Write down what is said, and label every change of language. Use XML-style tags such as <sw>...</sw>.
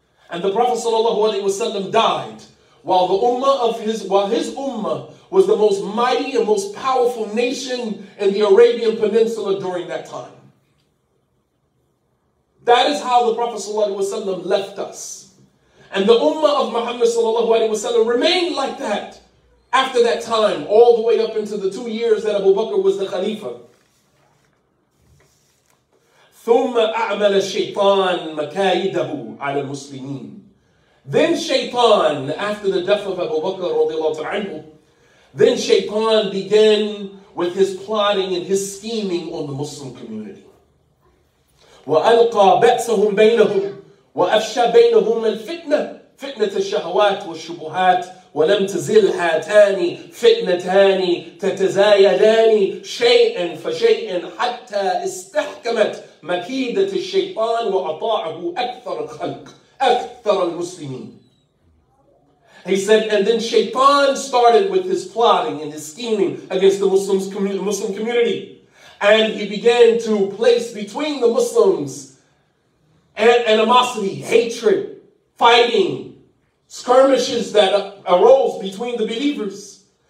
<en>And the Prophet صلى الله عليه وسلم died while the ummah of his, while his ummah was the most mighty and most powerful nation in the Arabian Peninsula during that time. That is how the Prophet صلى الله عليه وسلم left us. And the ummah of Muhammad صلى الله عليه وسلم remained like that after that time, all the way up into the 2 years that Abu Bakr was the Khalifa.</en> <ar>ثم أعمل الشيطان مكايده على المسلمين.</ar> <en>Then Shaytan, after the death of Abu Bakr radiallahu ta'ala anhu, then Shaytan began with his plotting and his scheming on the Muslim community.</en> <ar>وألقى بأسهم بينهم وأفشى بينهم الفتنة فتنة الشهوات والشبهات ولم تزل هاتان فتنتان تتزايدان شيئا فشيئا حتى استحكمت مكيدة الشيطان وأطاعه أكثر الخلق أكثر المسلمين.</ar> <en>He said, and then Shaytan started with his plotting and his scheming against the Muslim community. And he began to place between the Muslims animosity, hatred, fighting, skirmishes that arose between the believers.</en>